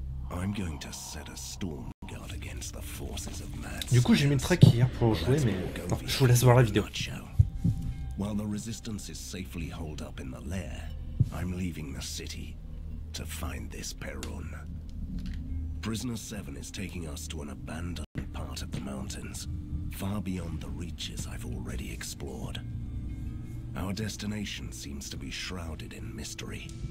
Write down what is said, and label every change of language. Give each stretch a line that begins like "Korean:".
English: I'm going to set a storm guard against the forces of mad.
French: Du coup, j'ai mis le track hier pour jouer, mais non, je vous laisse voir la vidéo.
English: While the resistance is safely holed up in the lair, I'm leaving the city to find this Perun. Prisoner 7 is taking us to an abandoned part of the mountains. Far beyond the reaches I've already explored. Our destination seems to be shrouded in mystery.